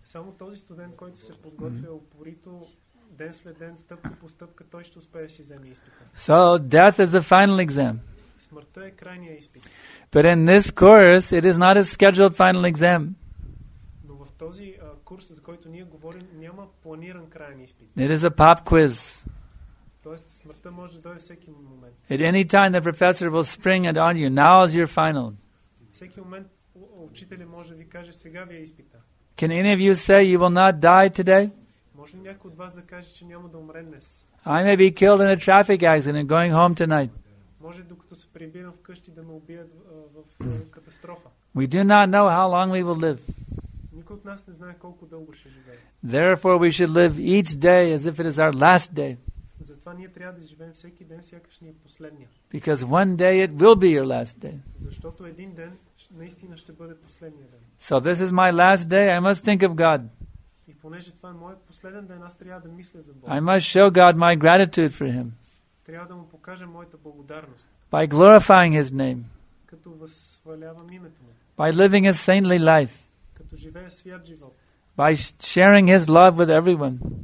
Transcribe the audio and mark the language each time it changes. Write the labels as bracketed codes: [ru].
[bg] Само този студент, който се подготвя упорито ден след ден, стъпка по стъпка, той ще успее да си вземе изпита. [en] So death is the final exam. [bg] Смъртта е крайния изпит. [en] But in this course, it is not a scheduled final exam. [bg] Но в този курс, за който ние говорим, няма планиран крайен изпит. [en] It is a pop quiz. [bg] Тоест, смъртта може да дойде всеки момент. [en] At any time the professor will spring it on you. Now is your final. [bg] Всеки момент учителя може да ви каже, сега ви е изпита. [en] Can any of you say you will not die today? [bg] Може някой от вас да каже, че няма да умре днес? [en] I may be killed in a traffic accident and going home tonight. [bg] Може докато се прибирам вкъщи да ме убият в катастрофа. [en] We do not know how long we will live. [bg] Никой от нас не знае колко дълго ще живее. [en] Therefore we should live each day as if it is our last day. [bg] Затова ние трябва да живеем всеки ден сякаш ни е последния. [en] Because one day it will be your last day. [bg] Защото един ден наистина ще бъде последния ден. [en] So this is my last day, I must think of God. [bg] И понеже това е моят последен ден, аз трябва да мисля за Бог. [en] I must show God my gratitude for him. [bg] Трябва да му покажа моята благодарност. [en] By glorifying his name. [bg] Като възхвалявам името му. [en] By living a saintly life. [bg] Като живея свят живот. [en] By sharing his love with everyone.